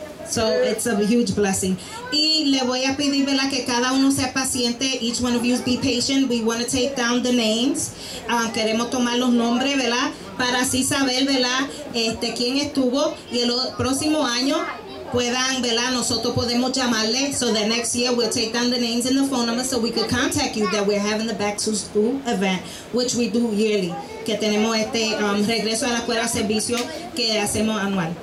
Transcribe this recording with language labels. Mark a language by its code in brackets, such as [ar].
[en] So, it's a huge blessing. [es] Y le voy a pedir, ¿verdad? Que cada uno sea paciente. [en] Each one of you be patient. We want to take down the names. [es] Queremos tomar los nombres, ¿verdad? Para así saber, ¿verdad? Quién estuvo y el próximo año puedan, ¿verdad? Nosotros podemos llamarle. [en] So the next year we'll take down the names and the phone number so we could contact you that we're having the back to school event, which we do yearly. [es] Que tenemos este regreso a la escuela servicio que hacemos anual.